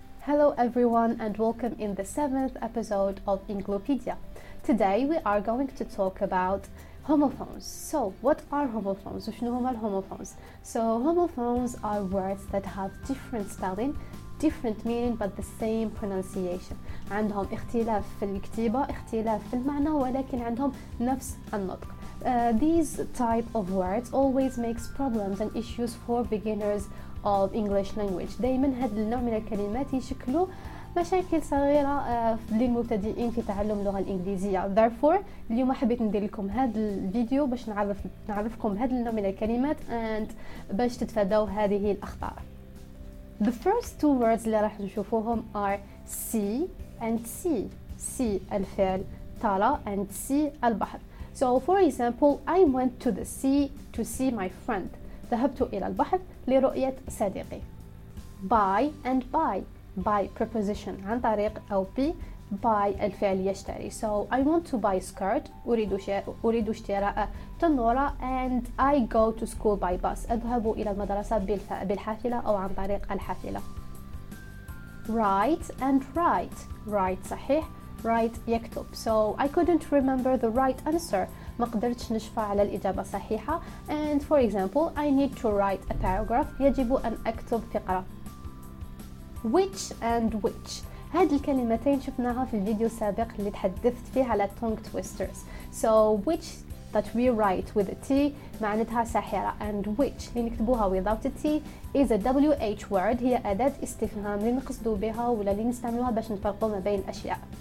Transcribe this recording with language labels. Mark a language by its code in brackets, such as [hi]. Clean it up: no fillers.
[en] Hello everyone and welcome in the seventh episode of Inglopedia. Today we are going to talk about homophones. So what are homophones? So homophones are words that have different spelling, different meaning but the same pronunciation. [ar] عندهم اختلاف في الكتابة, اختلاف في المعنى, ولكن عندهم نفس النطق. [en] These type of words always makes problems and issues for beginners of English language. [ar] دائما هذا النوع من الكلمات يشكلوا مشاكل صغيرة للمبتدئين في تعلم اللغة الإنجليزية. [en] Therefore, [ar] اليوم حبيت ندير لكم هذا الفيديو باش نعرفكم هذا النوع من الكلمات and باش تتفادوا هذه الأخطاء. [en] The first two words [ar] اللي راح نشوفوهم [en] are see and see. [ar] See الفعل ترى and see البحر. [en] So for example, I went to the sea to see my friend. [ar] ذهبت إلى البحر لرؤية صديقي. [en] By and by preposition [ar] عن طريق أو بي by الفعل يشتري. [en] So I want to buy a skirt. [ar] أريد اشتراء تنورة. [en] And I go to school by bus. [ar] أذهب إلى المدرسة بالحافلة أو عن طريق الحافلة. [en] Write and write. Write صحيح. Write يكتب. So I couldn't remember the right answer. [ar] ما قدرتش نشفى على الإجابة الصحيحة. [en] And for example, I need to write a paragraph. [ar] يجب أن أكتب فقرة. [en] Which and which. [ar] هذه الكلمتين شفناها في الفيديو السابق اللي تحدثت فيه على tongue twisters. [en] So which that we write with a T [ar] معناتها ساحرة. [en] And which [ar] اللي نكتبوها [en] without a T is a WH word. [ar] هي أداة استفهام اللي نقصدو بها ولا اللي نستعملوها باش نفرقو ما بين أشياء.